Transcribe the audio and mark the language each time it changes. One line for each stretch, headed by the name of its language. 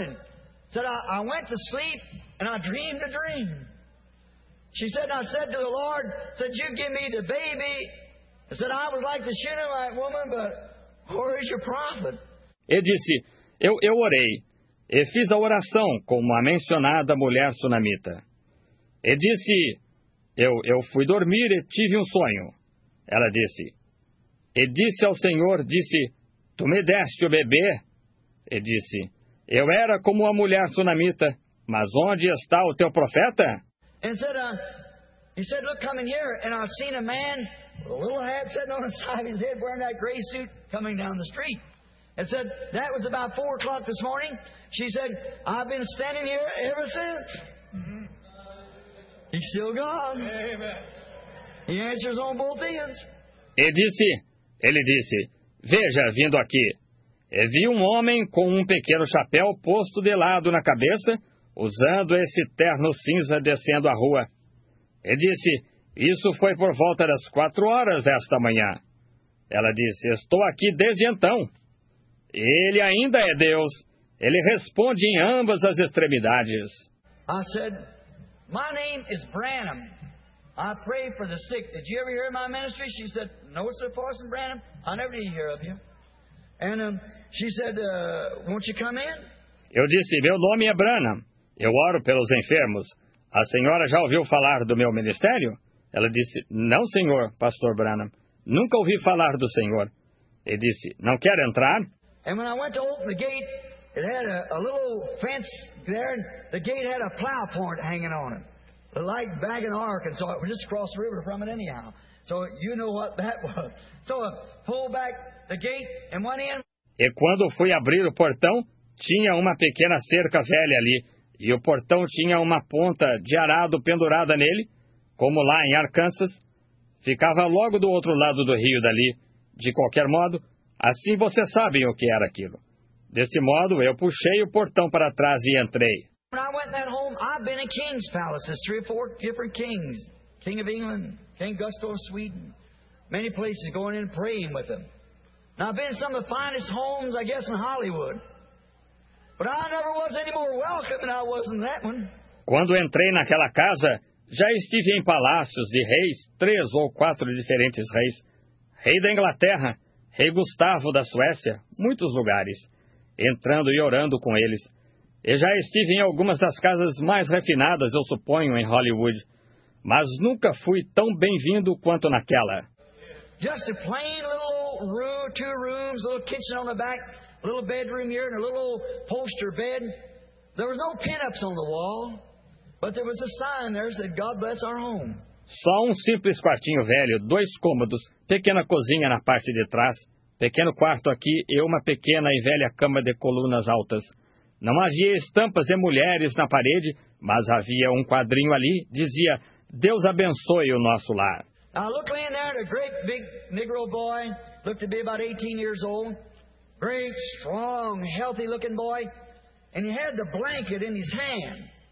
English: And said, I went to sleep and I dreamed a dream. She said, and I said to the Lord, said, you give me the baby. I said, I was like the Shunammite woman, but... Where is your prophet?
Portuguese: E disse, eu orei, e fiz a oração como a mencionada mulher sunamita. E disse, eu fui dormir e tive um sonho. Ela disse, e disse ao Senhor, disse, tu me deste o bebê? E disse, eu era como a mulher sunamita, mas onde está o teu profeta?
English: He said, look, come in here, and I've seen a man with a little hat sitting on the side of his head wearing that gray suit coming down the street. And said, that was about 4 o'clock this morning. She said, I've been standing here ever since. He's still gone. Amen. He answers on both ends.
Portuguese: Ele disse, veja, vindo aqui. E vi um homem com um pequeno chapéu posto de lado na cabeça, usando esse terno cinza descendo a rua. E disse, isso foi por volta das 4 horas esta manhã. Ela disse, estou aqui desde então. Ele ainda é Deus. Ele responde em ambas as extremidades.
English: I said, my name is Branham. I pray for the sick. Did you ever hear of my ministry? She said, no, Sir Parson Branham. I never did hear of you. And she said, won't you come in?
Portuguese: Eu disse, meu nome é Branham. Eu oro pelos enfermos. A senhora já ouviu falar do meu ministério? Ela disse, não, senhor, pastor Branham. Nunca ouvi falar do senhor. E disse, não quer entrar?
English: And when I went to open the gate, it had a little fence there, and the gate had a plow point hanging on it. Like back in Arkansas, it was just across the river from it anyhow. So you know what that was. So I pulled back the gate and went in.
Portuguese: E quando fui abrir o portão, tinha uma pequena cerca velha ali, e o portão tinha uma ponta de arado pendurada nele, como lá em Arkansas. Ficava logo do outro lado do rio dali. De qualquer modo, assim vocês sabem o que era aquilo. Desse modo, eu puxei o portão para trás e entrei.
English: When I went to that home, I've been in king's palaces, three or four different kings. King of England, King Gustav of Sweden. Many places going in and praying with them. Now, I've been in some of the finest homes, I guess, in Hollywood. But I never was any more welcome than I was in that one.
Portuguese: Quando entrei naquela casa, já estive em palácios de reis, três ou quatro diferentes reis. Rei da Inglaterra, Rei Gustavo da Suécia, muitos lugares. Entrando e orando com eles. E já estive em algumas das casas mais refinadas, eu suponho, em Hollywood. Mas nunca fui tão bem-vindo quanto naquela.
English: Just a plain little room, two rooms, a little kitchen on the back, a little bedroom here and a little poster bed. There was no pin-ups on the wall, but there was a sign there that said, God bless our home.
Portuguese: Só um simples quartinho velho, dois cômodos, pequena cozinha na parte de trás, pequeno quarto aqui e uma pequena e velha cama de colunas altas. Não havia estampas de mulheres na parede, mas havia um quadrinho ali, dizia, Deus abençoe o nosso lar.
English: I looked laying there at a great big negro boy, looked to be about 18 years old, great, strong, healthy looking boy, and he had the blanket in his hand.